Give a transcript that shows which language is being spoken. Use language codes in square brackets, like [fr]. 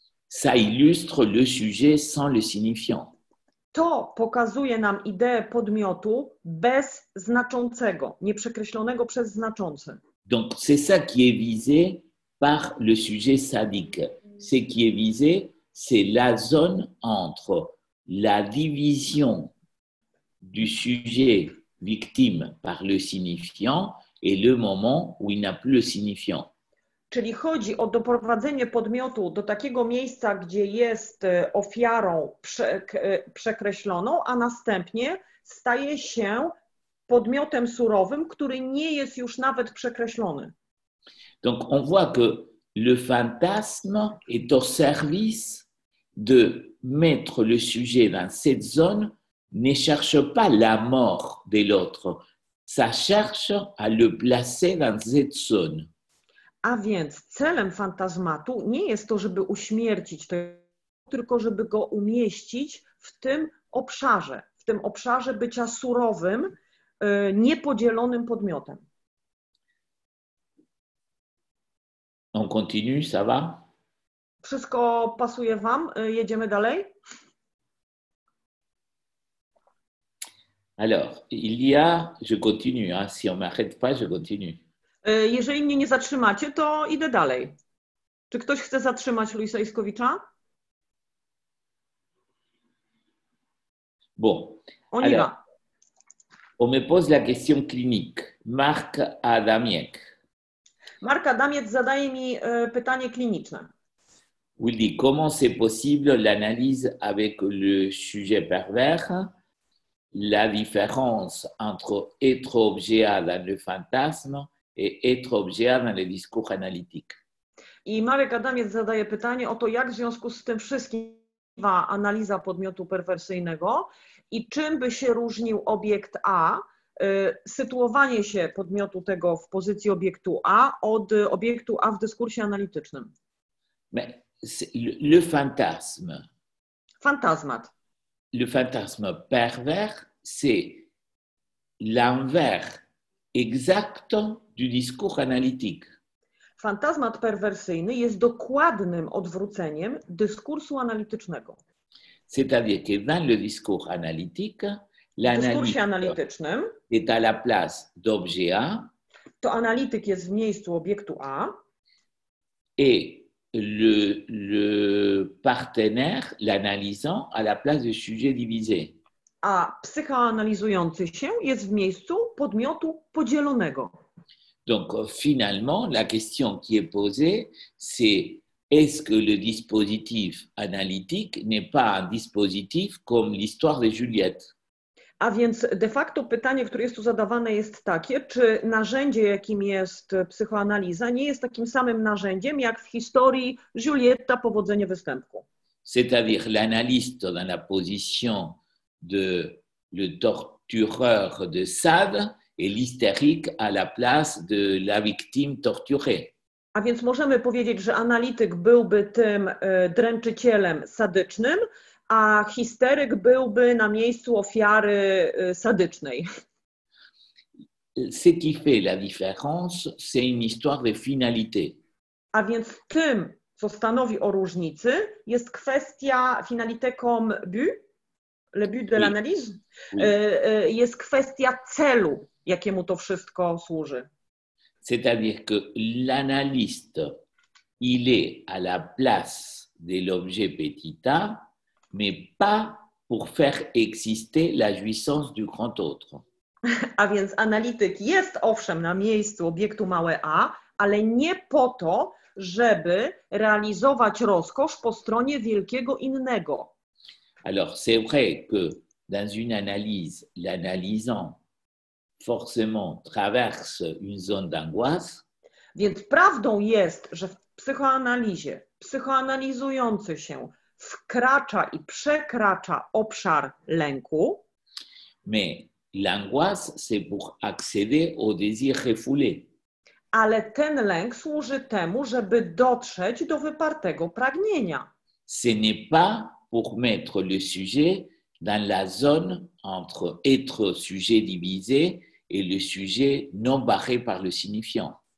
[fr] Ça illustre le sujet sans le signifiant. [pl] To pokazuje nam ideę podmiotu bez znaczącego, nieprzekreślonego przez znaczący. [fr] Donc c'est ça qui est visé par le sujet sadique. Ce qui est visé, c'est la zone entre la division du sujet victime par le signifiant et le moment où il n'a plus le signifiant. [pl] Czyli chodzi o doprowadzenie podmiotu do takiego miejsca, gdzie jest ofiarą przekreśloną, a następnie staje się podmiotem surowym, który nie jest już nawet przekreślony. [fr] Donc on voit que le fantasme est au service de mettre le sujet dans cette zone, ne cherche pas la mort de l'autre, ça cherche à le placer dans cette zone. [pl] A więc celem fantazmatu nie jest to, żeby uśmiercić tego, tylko żeby go umieścić w tym obszarze bycia surowym, niepodzielonym podmiotem. [fr] On continue, ça va? [pl] Wszystko pasuje wam, jedziemy dalej? [fr] Alors, il y a, je continue, hein? Si on m'arrête pas, je continue. [pl] Jeżeli mnie nie zatrzymacie, to idę dalej. Czy ktoś chce zatrzymać Luisa Iskowicza? [fr] Bon. On alors, y va. On me pose la question clinique. Marc Adamiec. [pl] Marc Adamiec zadaje mi pytanie kliniczne. [fr] Willy, comment c'est possible l'analyse avec le sujet pervers? La différence entre être objet dans le fantasme et être objet dans le discours analytique. [pl] I Marek Adamiec zadaje pytanie o to, jak w związku z tym wszystkim wpływa analiza podmiotu perwersyjnego i czym by się różnił obiekt A, sytuowanie się podmiotu tego w pozycji obiektu A od obiektu A w dyskursie analitycznym. [fr] Mais le fantasme. [pl] Fantasmat. [fr] Le fantasme pervers, c'est l'envers exact du discours analytique. [pl] Fantasmat perwersyjny jest dokładnym odwróceniem dyskursu analitycznego. [fr] C'est-à-dire que dans le discours analytique, l'analyste est à la place d'objet A. [pl] To analityk jest w miejscu obiektu A. [fr] Et le partenaire, l'analysant, à la place du sujet divisé. [pl] A psychoanalizujący się jest w miejscu podmiotu podzielonego. [fr] Donc finalement, la question qui est posée, c'est est-ce que le dispositif analytique n'est pas un dispositif comme l'histoire de Juliette? [pl] A więc de facto pytanie, które jest tu zadawane, jest takie, czy narzędzie, jakim jest psychoanaliza, nie jest takim samym narzędziem, jak w historii Julietta, powodzenie występku. [fr] C'est-à-dire l'analyste dans la position de le tortureur de Sade et l'hystérique à la place de la victime torturée. [pl] A więc możemy powiedzieć, że analityk byłby tym dręczycielem sadycznym, a histeryk byłby na miejscu ofiary sadycznej. [fr] Ce qui fait la différence, c'est une histoire de finalité. [pl] A więc tym, co stanowi o różnicy, jest kwestia [fr] finalité comme but. Le but de l'analyse, [pl] jest kwestia celu, jakiemu to wszystko służy. [fr] C'est-à-dire que l'analyste, il est à la place de l'objet petit a, mais pas pour faire exister la jouissance du grand autre. [pl] A więc analityk jest owszem na miejscu obiektu małe a, ale nie po to, żeby realizować rozkosz po stronie wielkiego innego. [fr] Alors, c'est vrai que dans une analyse, l'analysant forcément traverse une zone d'angoisse. [pl] Więc prawdą jest, że w psychoanalizie, psychoanalizujący się wkracza i przekracza obszar lęku. [fr] Mais l'angoisse, c'est pour accéder au désir refoulé. [pl] Ale ten lęk służy temu, żeby dotrzeć do wypartego pragnienia. [fr] Ce n'est pas pour mettre le sujet dans la zone entre être sujet divisé et le sujet non barré par le signifiant.